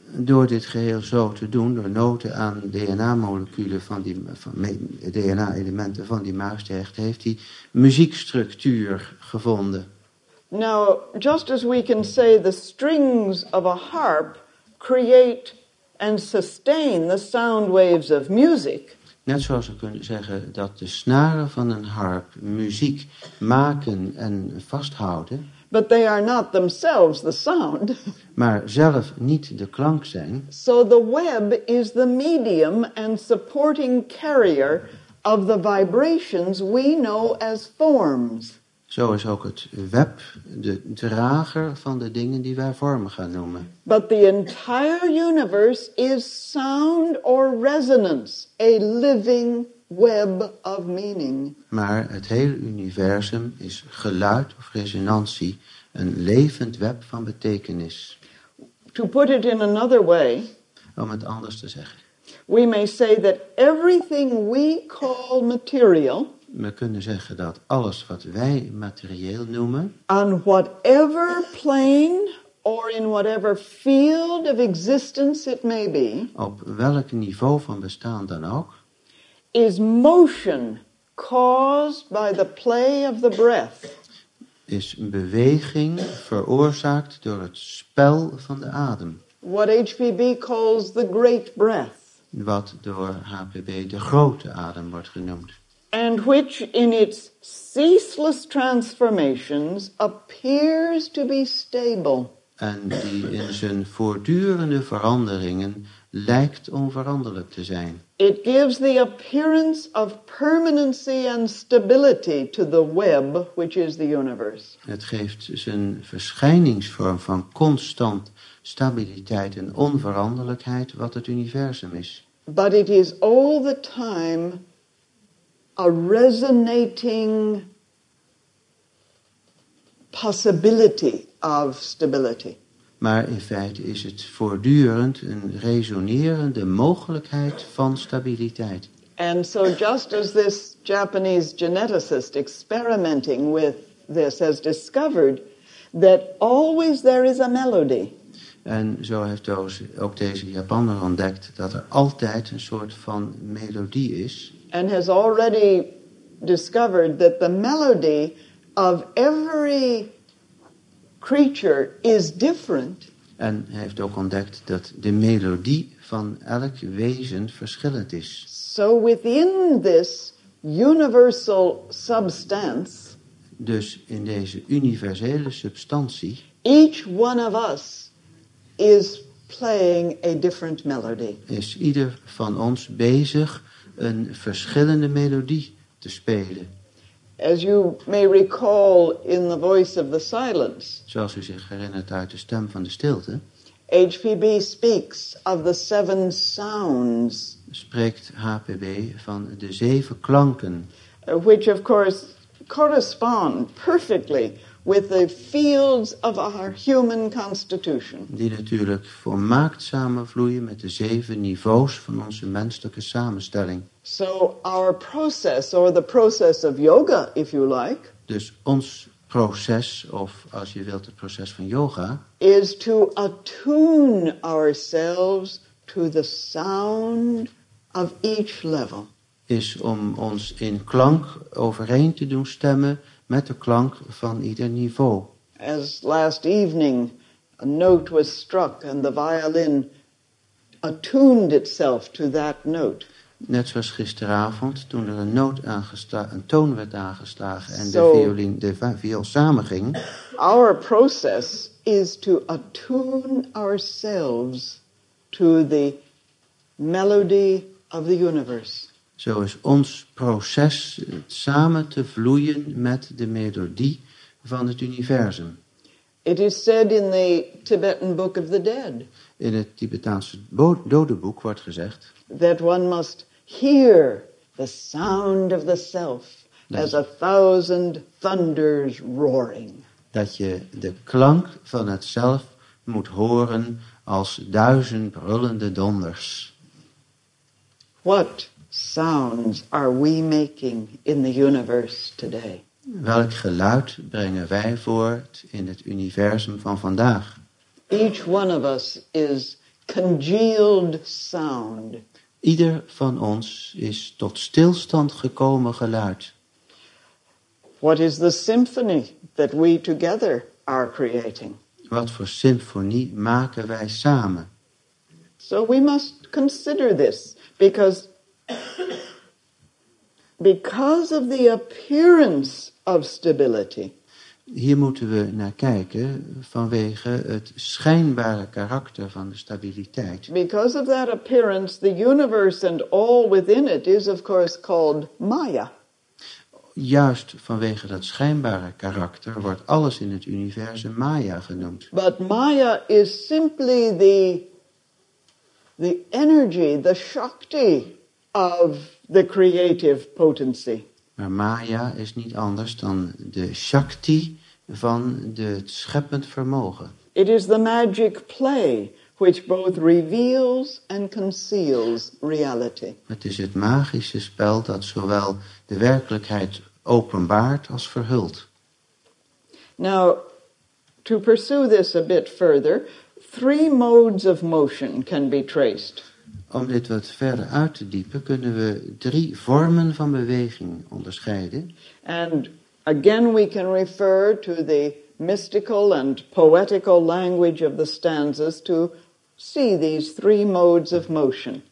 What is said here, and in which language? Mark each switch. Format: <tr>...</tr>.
<nl>Door dit geheel zo te doen, door noten aan DNA-moleculen van die DNA-elementen van die muis te hechten, heeft hij muziekstructuur gevonden.</nl> <en>Now, just as we can say the strings of a harp create and sustain the sound waves of music.</en> <nl>Net zoals we kunnen zeggen dat de snaren van een harp muziek maken en vasthouden.</nl> <en>But they are not themselves the sound.</en> <nl>Maar zelf niet de klank zijn.</nl> <en>So the web is the medium and supporting carrier of the vibrations we know as forms.</en> <nl>Zo is ook het web de drager van de dingen die wij vormen gaan noemen.</nl> <en>But the entire universe is sound or resonance, a living web of meaning.</en> <nl>Maar het hele universum is geluid of resonantie, een levend web van betekenis.</nl> <en>To put it in another way,</en> <nl>om het anders te zeggen,</nl> <en>we may say that everything we call material.</en> <nl>We kunnen zeggen dat alles wat wij materieel noemen,</nl> <en>on whatever plane or in whatever field of existence it may be,</en> <nl>op welk niveau van bestaan dan ook,</nl> <en>is motion caused by the play of the breath.</en> <nl>Is beweging veroorzaakt door het spel van de adem.</nl> <en>What HPB calls the great breath.</en> <nl>Wat door HPB de grote adem wordt genoemd.</nl> <en>And which in its ceaseless transformations appears to be stable.</en> <nl>en die in zijn voortdurende veranderingen lijkt onveranderlijk te zijn.</nl> <en>It gives the appearance of permanency and stability to the web, which is the universe.</en> <nl>Het geeft zijn verschijningsvorm van constant stabiliteit en onveranderlijkheid wat het universum is.</nl> <en>But it is all the time a resonating possibility of stability.</en> <nl>Maar in feite is het voortdurend een resonerende mogelijkheid van stabiliteit.</nl> <en>And so just as this Japanese geneticist experimenting with this has discovered that always there is a melody.</en> <nl>En zo heeft ook deze Japaner ontdekt dat er altijd een soort van melodie is.</nl> <en>And has already discovered that the melody of every creature is different.</en> <nl>En hij heeft ook ontdekt dat de melodie van elk wezen verschillend is.</nl> <en>So within this universal substance,</en> <nl>dus in deze universele substantie,</nl> <en>each one of us is playing a different melody.</en> <nl>Is ieder van ons bezig een verschillende melodie te spelen.</nl> <en>As you may recall in the voice of the silence.</en> <nl>Zoals u zich herinnert uit de stem van de stilte.</nl> <en>HPB speaks of the seven sounds.</en> <nl>Spreekt HPB van de zeven klanken.</nl> <en>Which of course correspond perfectly with the fields of our human constitution.</en> <nl>Die natuurlijk volmaakt samenvloeien met de zeven niveaus van onze menselijke samenstelling.</nl> <en>So our process, or the process of yoga, if you like.</en> <nl>Dus ons proces, of als je wilt het proces van yoga.</nl> <en>Is to attune ourselves to the sound of each level.</en> <nl>Is om ons in klank overeen te doen stemmen met de klank van ieder niveau.</nl> <en>As last evening a note was struck and the violin attuned itself to that note.</en> <nl>Net zoals gisteravond toen er een toon werd aangeslagen en de violin de viool samenging.</nl> <en>Our process is to attune ourselves to the melody of the universe.</en> <nl>Zo is ons proces samen te vloeien met de melodie van het universum.</nl> <en>It is said in the Tibetan Book of the Dead.</en> <nl>In het Tibetaanse dodenboek wordt gezegd</nl> <en>that one must hear the sound of the self as a thousand thunders roaring.</en> <nl>Dat je de klank van het zelf moet horen als duizend brullende donders.</nl> <en>What sounds are we making in the universe today?</en> <nl>Welk geluid brengen wij voort in het universum van vandaag?</nl> <en>Each one of us is congealed sound.</en> <nl>Ieder van ons is tot stilstand gekomen geluid.</nl> <en>What is the symphony that we together are creating?</en> <nl>Wat voor symfonie maken wij samen?</nl> <en>So we must consider this because because of the appearance of stability.</en> <nl>Hier moeten we naar kijken vanwege het schijnbare karakter van de stabiliteit.</nl> <en>Because of that appearance, the universe and all within it is of course called Maya.</en> <nl>Juist vanwege dat schijnbare karakter wordt alles in het universum Maya genoemd.</nl> <en>But Maya is simply the energy, the shakti of the creative potency.</en> <nl>Maar Maya is niet anders dan de shakti van het scheppend vermogen.</nl> <en>It is the magic play which both reveals and conceals reality.</en> <nl>Het is het magische spel dat zowel de werkelijkheid openbaart als verhult.</nl> <en>Now, to pursue this a bit further, three modes of motion can be traced.</en> <nl>Om dit wat verder uit te diepen, kunnen we drie vormen van beweging onderscheiden.</nl> <en>And again we can refer to the mystical and poetical language of the stanzas to see these three modes of motion.</en>